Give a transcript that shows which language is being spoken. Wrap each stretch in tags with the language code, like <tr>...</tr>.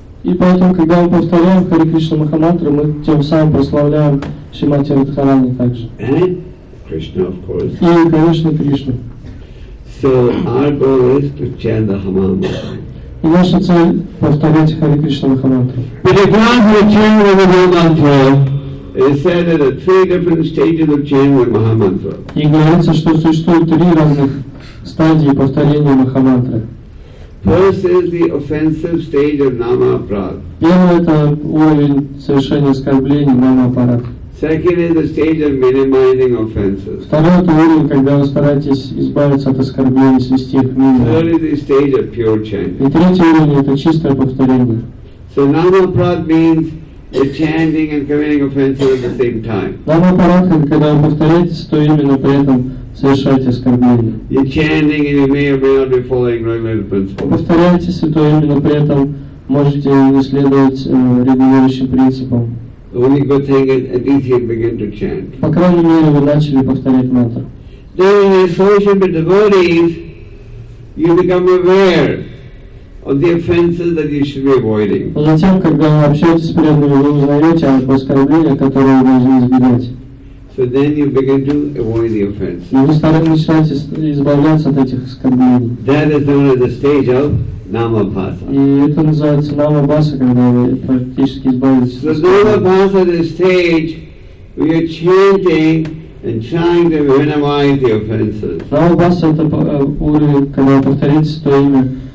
<ru>И потом, когда мы повторяем Hare Krishna Mahamantra, мы тем самым прославляем Шримати Радхарани также.</ru> <en>And Krishna, of course.</en> <ru>И, конечно, Кришна.</ru> <en>So, our goal is to chant the Mahamantra.</en> <ru>И наша цель — повторять Хари Кришна Махамантру.</ru> <en>But if one were chanting the Mahamantra, it is said that there are three different stages of chanting the Mahamantra.</en> <ru>И говорится, что существует три разных стадии повторения Махамантры.</ru> <en>First is the offensive stage of Nama Aparad.</en> <ru>Первое — это уровень совершения оскорблений, Нама Апарад.</ru> <en>Second is the stage of minimizing offenses.</en> <ru>Второе — это уровень, когда вы стараетесь избавиться от оскорблений, свести их минимум.</ru> <en>Third is the stage of pure chanting.</en> <ru>И третий уровень — это чистое повторение.</ru> <en>So Nama Aparad means the chanting and committing offenses at the same time.</en> <ru>Нама Апарад — это когда вы повторяете, то именно при этом совершаете оскорбление.</ru> <en>You're chanting and you may or may not be following regulated principles.</en> <ru>Повторяете святое имя, но при этом можете не следовать регулирующим принципам.</ru> <en>The only good thing is at least you begin to chant.</en> <ru>По крайней мере, вы начали повторять мантру.</ru> <en>During association with devotees, you become aware of the offenses that you should be avoiding.</en> <ru>Затем, когда вы общаетесь с преданными, вы узнаете об оскорблениях, которые вы должны избегать.</ru> <en>So then you begin to avoid the offense. That is known as the stage of Namabhasa. So Namabhasa is the stage where you're chanting and trying to minimize the offenses.</en> <ru>Namabhasa</ru> <en>is the</en> <ru>уровень, когда повторите свое имя.</ru>